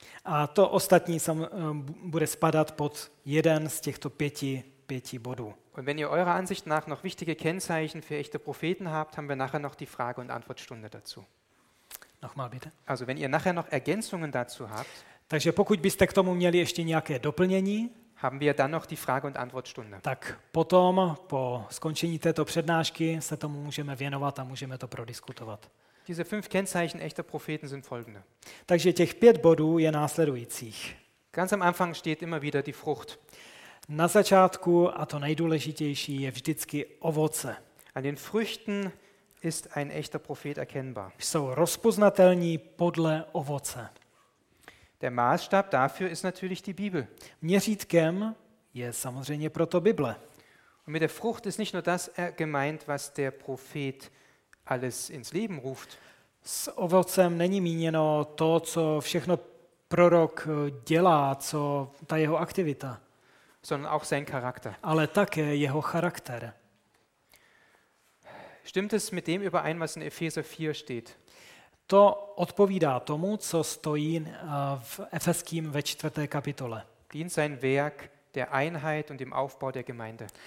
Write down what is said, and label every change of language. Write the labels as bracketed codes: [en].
[cs] A to ostatní bude spadat pod jeden z těchto 5 bodů. [de] Und wenn ihr eurer Ansicht nach noch wichtige Kennzeichen für echte Propheten habt, haben wir nachher noch die Frage- und Antwortstunde dazu. Nochmal bitte. Also wenn ihr nachher noch Ergänzungen dazu habt, [cs] takže pokud byste k tomu měli ještě nějaké doplnění, [de] haben wir dann noch die Frage- und Antwortstunde. [cs] Tak potom, po skončení této přednášky, se tomu můžeme věnovat a můžeme to prodiskutovat. [de] Diese fünf Kennzeichen echter Propheten sind folgende. [cs] Takže těch pět bodů je následujících. [de] Ganz am Anfang steht immer wieder die Frucht. [cs] Na začátku, a to nejdůležitější, je vždycky ovoce. [de] An den Früchten ist ein echter Prophet erkennbar. [cs] Jsou rozpoznatelní podle ovoce. [de] Der Maßstab dafür ist natürlich die Bibel. [cs] Měřítkem je samozřejmě proto Bible. [de] Und mit der Frucht ist nicht nur das gemeint, was der Prophet alles ins Leben ruft. [cs] S ovocem není míněno to, co všechno prorok dělá, co ta jeho aktivita. [de] Sondern auch sein Charakter. [cs] Ale také jeho charakter. [de] Stimmt es mit dem überein, was in Epheser 4 steht? [cs] To odpovídá tomu, co stojí v Efeským ve 4. kapitole. [de] Dient sein Werk der Einheit und dem Aufbau der Gemeinde.